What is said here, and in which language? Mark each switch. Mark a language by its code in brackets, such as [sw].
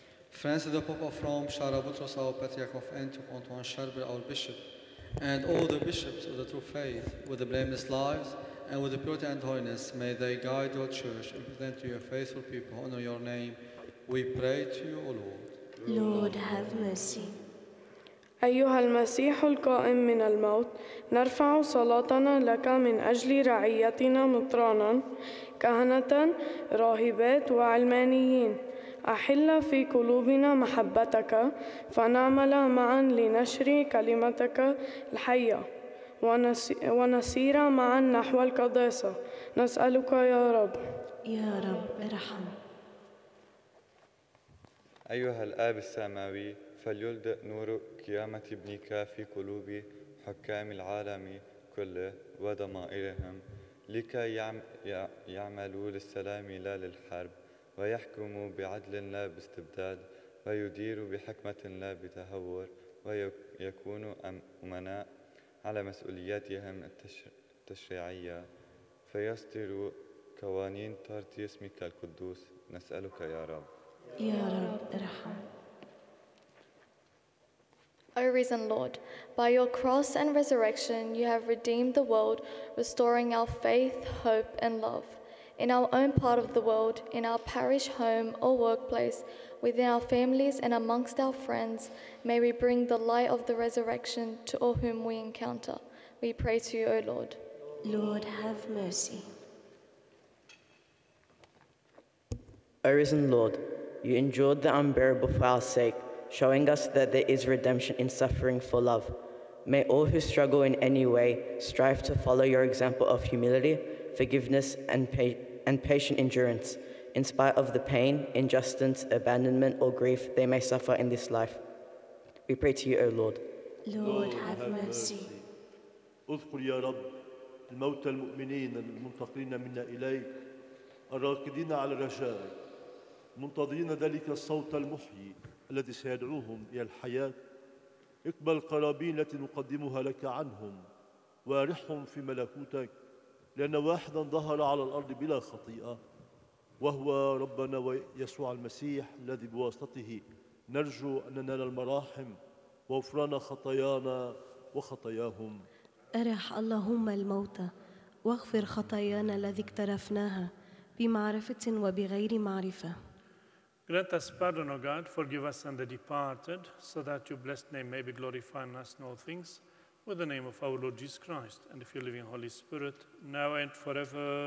[en] Friends of the Pope of Rome, Charbel, our Patriarch of Antioch, Antoine, Charbel, our Bishop, and all the bishops of the true faith, with the blameless lives and with the purity and holiness, may they guide your church and present to your faithful people, honor your name. We pray to you, O Lord. Lord, have mercy. [ar] أيها المسيح القائم من الموت، نرفع صلاتنا لك من أجل رعيتنا مطرانا، كهنة، راهبات وعلمانيين. أحل في قلوبنا محبتك فنعمل معا لنشر كلمتك الحية ونسير معا نحو القداسة نسألك يا رب يا رب ارحم أيها الآب السماوي فليلدئ نور قيامة ابنك في قلوب حكام العالم كله وضمائرهم لكي يعملوا للسلام لا للحرب ويحكموا بعدل لا باستبداد ويديروا بحكمة لا بتهور ويكونوا أمناء على مسؤولياتهم التشريعية فيصدروا قوانين ترضي اسمك القدوس نسألك يا رب يا رب ارحم [en] O risen Lord, by your cross and resurrection you have redeemed the world, restoring our faith, hope and love. In our own part of the world, in our parish home or workplace, within our families and amongst our friends, may we bring the light of the resurrection to all whom we encounter. We pray to you, O Lord. Lord, have mercy. O risen Lord, you endured the unbearable for our sake, showing us that there is redemption in suffering for love. May all who struggle in any way strive to follow your example of humility, forgiveness, and patient endurance, in spite of the pain, injustice, abandonment, or grief they may suffer in this life. We pray to you, O Lord. Lord, have mercy. [ar] اذكر يا رب الموتى المؤمنين المنتقلين منا إليك الراكدين على الرجاء منتظرين ذلك الصوت المحيي الذي سيدعوهم إلى الحياة اقبل قرابين التي نقدمها لك عنهم وارحهم في ملكوتك لأن واحدا ظهر على الأرض بلا خطيئة وهو ربنا ويسوع المسيح الذي بواسطته نرجو أن ننال المراحم وغفران خطايانا وخطاياهم أرح اللهم الموتى واغفر خطايانا الذي اقترفناها بمعرفة وبغير معرفة [en] Grant us pardon, O God, forgive us and the departed, so that your blessed name may be glorified in us in all things, with the name of our Lord Jesus Christ, and of your living Holy Spirit, now and forever.